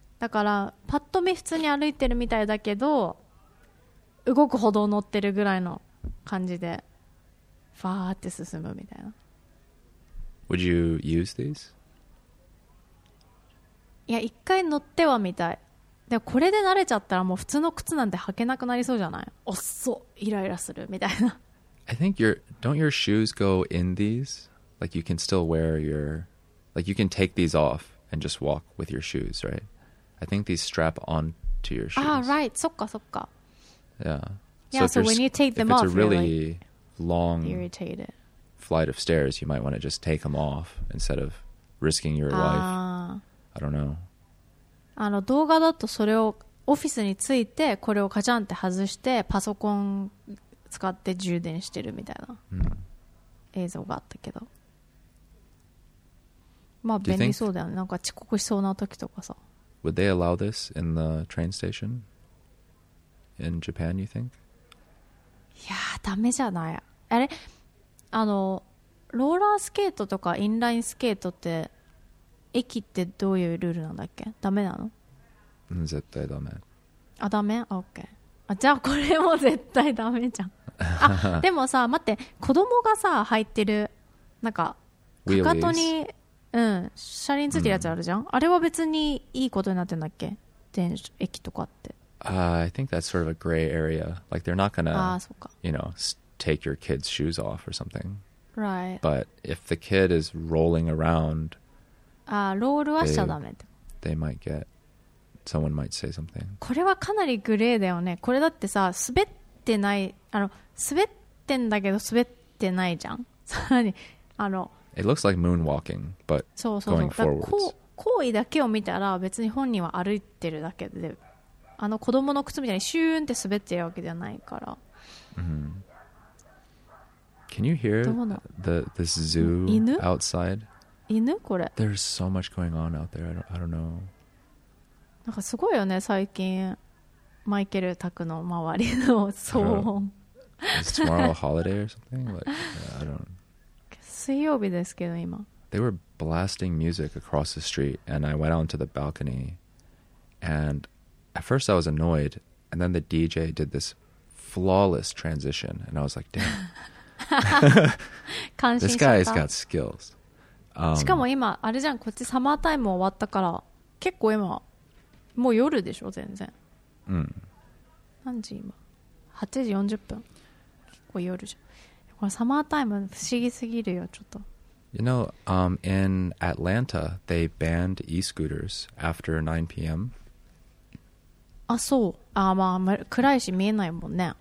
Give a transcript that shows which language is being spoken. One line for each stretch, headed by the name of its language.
Japanese: だからパッと見普通に歩いてるみたいだけど動く歩道乗ってるぐらいの感じでファーって進むみたいな。
English: Would you use these?
Japanese: いや一回乗ってはみたい。でもこれで慣れちゃったらもう普通の靴なんて履けなくなりそうじゃない。おっそイライラするみたいな。
English: I think your don't your shoes go in these? Like you can still wear your like you can take these off and just walk with your shoes, right? I think these strap on to your shoes. Ah, right.
Japanese: そっかそっか。
English: Yeah. Yeah, so, when you take them off, it's a really like long irritated flight of stairs, you might want to just take them off instead of risking your life. I don't know.
Japanese: あの動画だとそれをオフィスについてこれをカチャンって外してパソコン使って充電してるみたいな映像があったけど、まあ便利そうだよね。なんか遅刻しそうな時とかさ。
English: Would they allow this in the train station in Japan, you think?
Japanese: いやーダメじゃない。あれあのローラースケートとかインラインスケートって駅ってどういうルールなんだっけ？ダメなの？絶対ダメ。あ、ダメ？オッケー。あ、じゃあこれも絶対ダメじゃん。あ、でもさ、待って、子供がさ、履いてる、なんか、かかとに、うん、車輪ついてるやつあるじゃん？あれは別にいいことになってんだっけ？電車、駅とかって。
English: I think that's sort of a gray area. Like, they're not gonna, you know, take your kid's shoes off or something. Right. But if the kid is rolling around,
Japanese: ああロールはしちゃダメって
English: they might get someone might say something.
Japanese: これはかなりグレーだよね。これだってさ滑ってない、あの滑ってんだけど滑ってないじゃん。さらにあの
English: It looks like moonwalking but going forwards.
Japanese: そうそうそう、だから行為だけを見たら別に本人は歩いてるだけで、あの子供の靴みたいにシューンって滑ってるわけじゃないから、
English: mm-hmm. Can you hear this zoo outside?
Japanese: 犬これ。
English: There's so much going on out there. I don't know.
Japanese: なんかすごいよね最近マイケル宅の周りの騒音。
English: Is tomorrow a holiday or something? Like, I don't.
Japanese: 水曜日ですけど今。
English: They were blasting music across the street, and I went out onto the balcony. And at first I was annoyed, and then the DJ did this flawless transition, and I was like, damn.
Japanese: 感心した。
English: This guy's got skills.
Japanese: しかも今あれじゃん、こっちサマータイム終わったから結構今もう夜でしょ全然。うん、何時今？ 8時40分。結構夜じゃん。これサマータイム不思議すぎるよちょっと。
English: You know, in Atlanta, they banned e-scooters after 9 p.m.
Japanese: あ、そう。あ、まあ、暗いし見えないもんね。